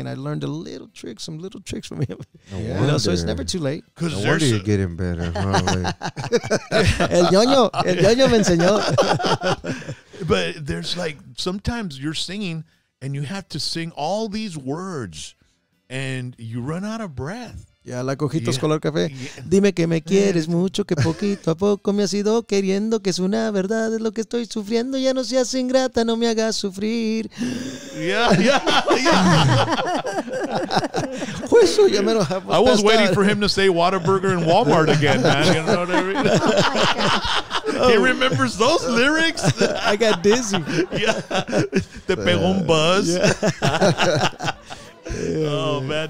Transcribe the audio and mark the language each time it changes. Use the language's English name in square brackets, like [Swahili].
[English] And I learned a little trick, some little tricks from him, you know, so it's never too late. Cause where are you getting better? [Spanish] El Yoño me enseñó. [English] But there's like, sometimes you're singing and you have to sing all these words and you run out of breath. Yeah, like Ojitos yeah. Color Café. Yeah. [Spanish] Dime que me quieres mucho, que poquito a poco me has ido queriendo, que es una verdad, es lo que estoy sufriendo, ya no seas ingrata, no me hagas sufrir. [English] Yeah, yeah, yeah. [Spanish] Pues eso, ya me lo hago. [English] I was waiting for him to say Whataburger in Walmart again, man. You know what I mean? Oh. He remembers those lyrics. I got dizzy. Yeah. [Spanish] Te pegó un buzz. [English] Yeah. Oh, man.